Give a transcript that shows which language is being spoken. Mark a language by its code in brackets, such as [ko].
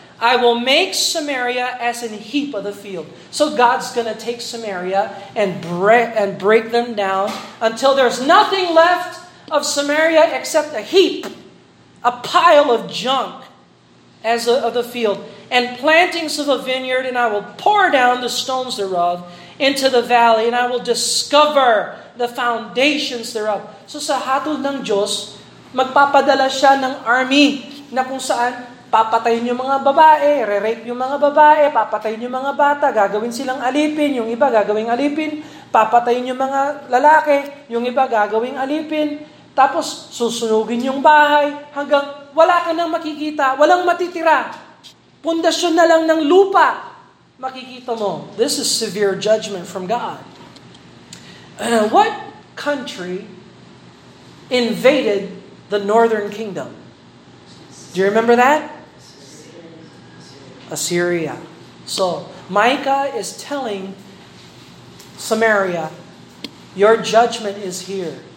[en] I will make Samaria as an heap of the field. So God's going to take Samaria and break them down until there's nothing left of Samaria except a heap, a pile of junk as of the field, and plantings of a vineyard, and I will pour down the stones thereof into the valley, and I will discover the foundations thereof. [tl] So sa hatol ng Diyos, magpapadala siya ng army na kung saan papatayin yung mga babae, re-rape yung mga babae, papatayin yung mga bata, gagawin silang alipin, yung iba gagawing alipin, papatayin yung mga lalaki, yung iba gagawing alipin, tapos susunugin yung bahay hanggang wala ka nang makikita, walang matitira. Pundasyon na lang ng lupa, makikita mo. [en] This is severe judgment from God. What country invaded the northern kingdom? Do you remember that? Assyria. So, Micah is telling Samaria, your judgment is here.